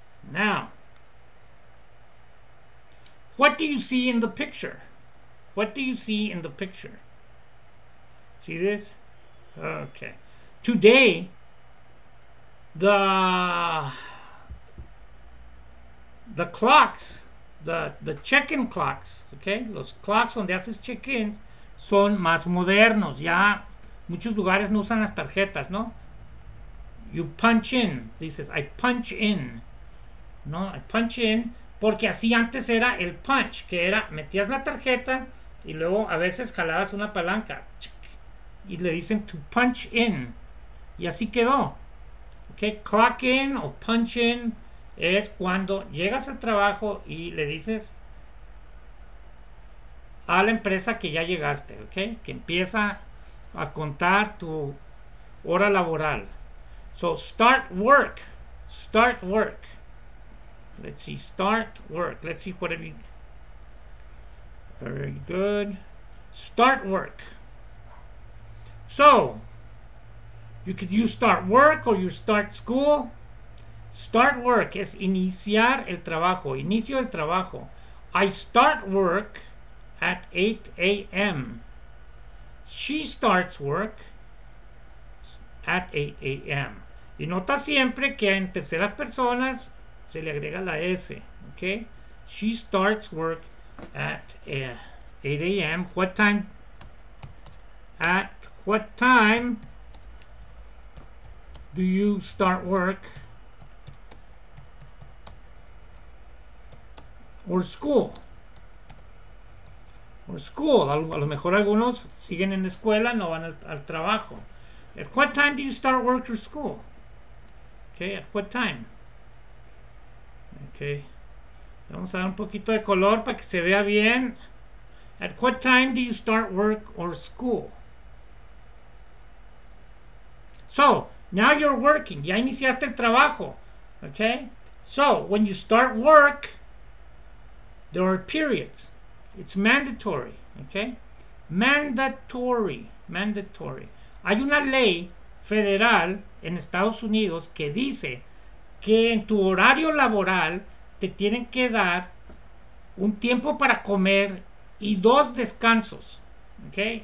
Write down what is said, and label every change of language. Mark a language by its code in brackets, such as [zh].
[en] Now, what do you see in the picture? What do you see in the picture? See this? Okay. Today, the clocks, the check-in clocks, okay? [es] Los clocks donde haces check-ins son más modernos. Ya muchos lugares no usan las tarjetas, ¿no? [en] You punch in, [es] dices, [en] I punch in. [es] No, [en] I punch in, [es] porque así antes era el punch, que era, metías la tarjeta y luego a veces jalabas una palanca. Y le dicen [en] to punch in. [es] Y así quedó. Okay, clock in o punch in es cuando llegas al trabajo y le dices a la empresa que ya llegaste, okay, que empieza a contar tu hora laboral. [en] So start work. Start work. Let's see, start work. Let's see what have you. Very good. Start work. So, you could use start work or you start school. Start work [es] es iniciar el trabajo, inicio el trabajo. [en] I start work at 8 a.m. She starts work at 8 a.m. [es] Y nota siempre que en terceras personas se le agrega la S, okay? [en] She starts work at 8 a.m. What time? At what time do you start work or school? Or school. [es] A lo mejor algunos siguen en la escuela, no van al trabajo. [en] At what time do you start work or school? Okay, at what time? Okay. [es] Vamos a dar un poquito de color para que se vea bien. [en] At what time do you start work or school? So, now you're working. [es] Ya iniciaste el trabajo. [en] Okay? So, when you start work, there are periods. It's mandatory. Okay? Mandatory. Mandatory. [es] Hay una ley federal en Estados Unidos que dice que en tu horario laboral te tienen que dar un tiempo para comer y dos descansos. Okay?